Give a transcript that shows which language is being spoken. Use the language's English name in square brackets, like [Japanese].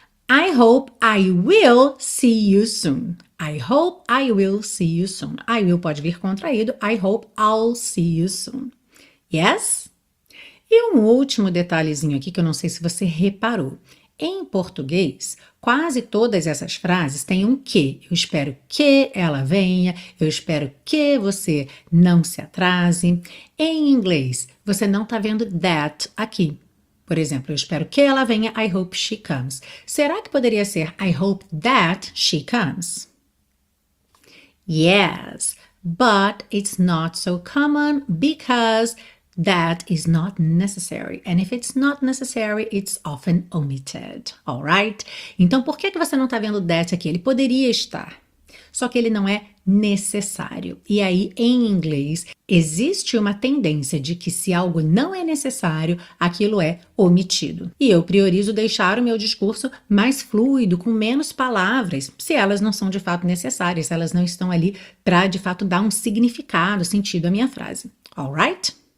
[English] I hope I will see you soon. I hope I will see you soon. I will [Portuguese] pode vir contraído. [English] I hope I'll see you soon. Yes? [Portuguese] E um último detalhezinho aqui que eu não sei se você reparou. Em português, quase todas essas frases têm um que. Eu espero que ela venha, eu espero que você não se atrase. Em inglês, você não está vendo that aqui. Por exemplo, eu espero que ela venha, [English] I hope she comes. [Portuguese] Será que poderia ser [English] I hope that she comes? Yes, but it's not so common because that is not necessary. And if it's not necessary, it's often omitted. Alright? [Portuguese] Então, por que você não está vendo that aqui? Ele poderia estar. Só que ele não é necessário. E aí, em inglês, existe uma tendência de que se algo não é necessário, aquilo é omitido. E eu priorizo deixar o meu discurso mais fluido, com menos palavras, se elas não são de fato necessárias, se elas não estão ali para, de fato, dar um significado, sentido à minha frase. Alright?